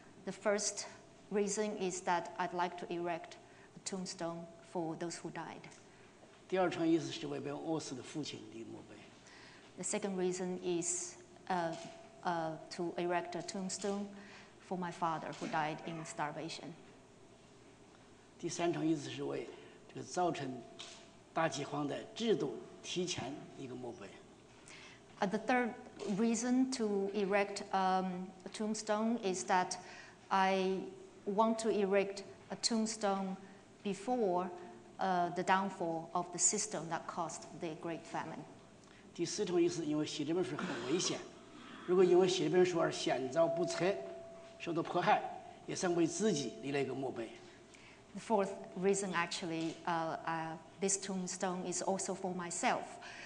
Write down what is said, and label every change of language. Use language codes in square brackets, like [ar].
[en] The first reason is that I'd like to erect a tombstone for those who died. The second reason is to erect a tombstone for my father who died in starvation. [zh] 第三层意思是为这个造成大饥荒的制度提前一个墓碑。 [en] The third reason to erect a tombstone is that I want to erect a tombstone before the downfall of the system that caused the Great Famine. [zh] 第四层意思是因为写这本书很危险，如果因为写这本书而险遭不测，受到迫害，也算为自己立了一个墓碑。 [en] The fourth reason actually, this tombstone is also for myself.